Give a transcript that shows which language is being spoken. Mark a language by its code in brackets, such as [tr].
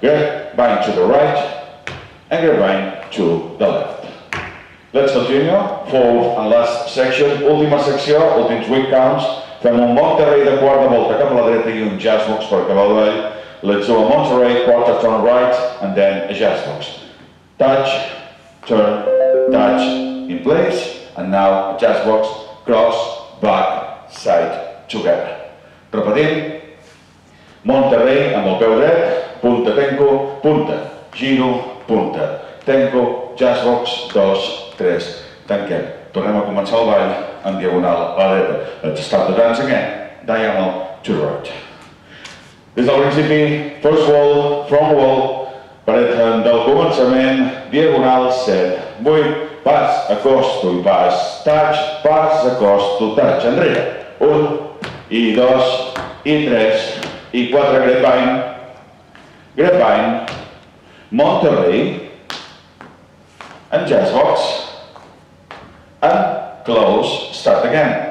[en] Grapevine to the right, and grapevine to the left. Let's continue. For a last section, [ca] última secció, últims [en] 8 counts. [ca] Fem un moc darrer de quarta volta cap a la dreta i un jazz box per acabar el ball. [en] Let's do a Monterey, quarter turn right, and then a jazz box. Touch, turn, touch, in place, and now a jazz box, cross, back, side, together. [ca] Repetim. Monterrey amb el peu dret, punta, tenco, punta, giro, punta, tenco, jazz box, dos, tres, tanquem. Tornem a començar el ball en diagonal a la dreta. [en] Let's start the dance again, diagonal to the right. [ca] Des del principi, [en] first wall, front wall, [ca] paret del començament, diagonal, set, vuit, pas, acosto i pas, touch, pas, acosto, touch, enrere, un, i dos, i tres, i quatre, grapevine, grapevine, Monterrey, [en] and jazz box, and close, start again.